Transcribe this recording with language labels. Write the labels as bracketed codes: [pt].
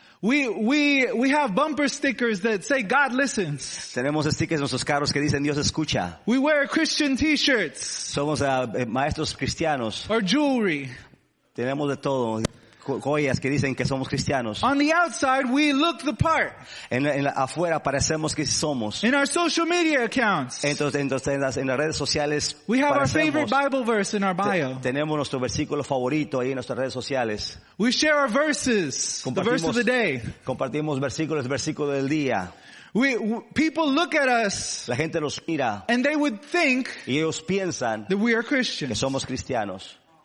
[en] We have bumper stickers that say God listens. [es] Tenemos stickers en nuestros carros que dicen Dios escucha. [en] We wear Christian t-shirts. [es] Somos maestros cristianos. [en] Or jewelry. [es] Tenemos de todo. Joyas que dicen que somos cristianos. [en] On the outside, we look the part. [es] En la, afuera parecemos que somos. [en] In our social media accounts. [es] En las redes sociales. [en] We have our favorite Bible verse in our bio. [es] Tenemos nuestro versículo favorito ahí en nuestras redes sociales. [en] We share our verses. The verse of the day. [es] Compartimos versículos, versículo del día. [en] People look at us. [es] La gente nos mira. [en] And they would think. [es] Y ellos piensan. [en] That we are Christians. [es] Que somos cristianos.